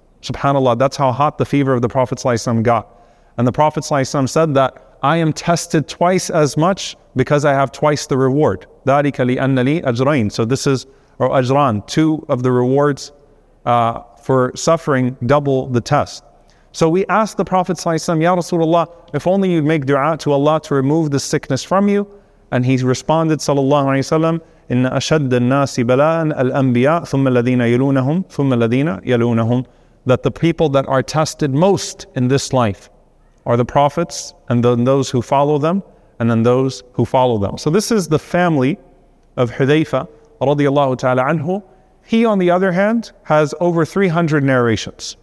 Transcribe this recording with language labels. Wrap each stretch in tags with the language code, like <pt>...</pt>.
<en>Subhanallah, that's how hot the fever of the Prophet sallallahu alayhi wa sallam got. And the Prophet sallallahu alayhi wa sallam said that, I am tested twice as much because I have twice the reward.</en> <ar>ذَلِكَ لِأَنَّ لِي أَجْرَيْن.</ar> <en>So this is, or أَجْرَان, two of the rewards for suffering double the test. So we asked the Prophet sallallahu alayhi wa sallam, Ya Rasulullah, if only you'd make dua to Allah to remove the sickness from you. And he responded</en> <ar>sallallahu alayhi wa sallam, إن أشد الناس بلاءً الأنبياء ثم الذين يلونهم ثم الذين يلونهم.</ar> <en>That the people that are tested most in this life are the prophets and then those who follow them and then those who follow them. So this is the family of Hudhayfah radiallahu ta'ala anhu. He, on the other hand, has over 300 narrations.</en>